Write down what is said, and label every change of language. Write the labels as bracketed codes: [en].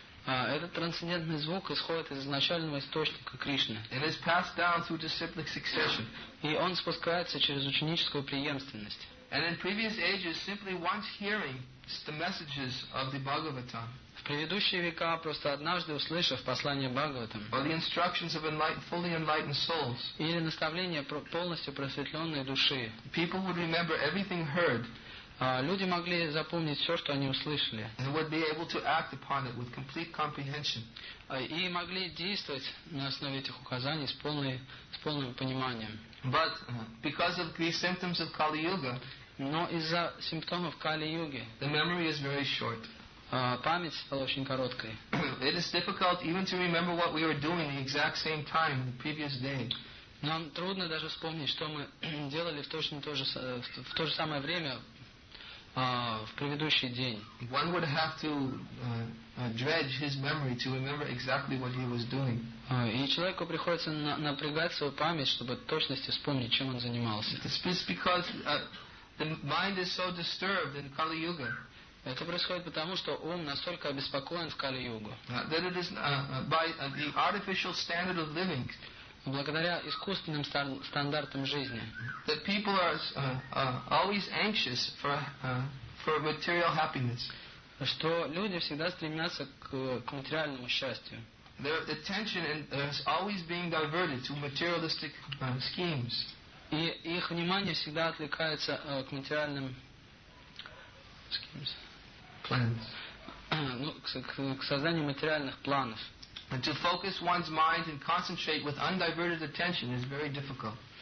[ru] Этот трансцендентный звук исходит из изначального источника Кришны. [en] It is passed down through disciplic succession. [ru] И он спускается через ученическую преемственность. [en] And in previous ages, simply once hearing the messages of the Bhagavatam. [ru] В предыдущие века просто однажды услышав послание Бхагаватам. [en] Or the instructions of fully enlightened souls. [ru] Или наставления полностью просветленной души. [en] People would remember everything heard. [ru] Люди могли запомнить все, что они услышали. [en] And would be able to act upon it with complete comprehension. [ru] И могли действовать на основе этих указаний с полным пониманием. [en] But because of the symptoms of Kali Yuga. [ru] Но из-за симптомов Кали-Юги [en] the memory is very short. [ru] Память стала очень короткой. [en] It is difficult even to remember what we were doing the exact same time the previous day. [ru] Нам трудно даже вспомнить, что мы делали в то же самое время в предыдущий день. [en] One would have to dredge his memory to remember exactly what he was doing. [ru] И человеку приходится напрягать свою память, чтобы точности вспомнить, чем он занимался. [en] It's because the mind is so disturbed in Kali Yuga. [ru] Это происходит потому, что ум настолько обеспокоен в Кали Югу. [en] That it is by the artificial standard of living. [ru] благодаря искусственным стандартам жизни. [en] The people are always anxious for material happiness. [ru] Что люди всегда стремятся к материальному счастью. [en] Their attention is always being diverted to materialistic schemes. [ru] И их внимание всегда отвлекается к материальным [en] schemes. Plans. [ru] Ну, к созданию материальных планов. [en] And to focus one's mind and concentrate with undiverted attention is very difficult.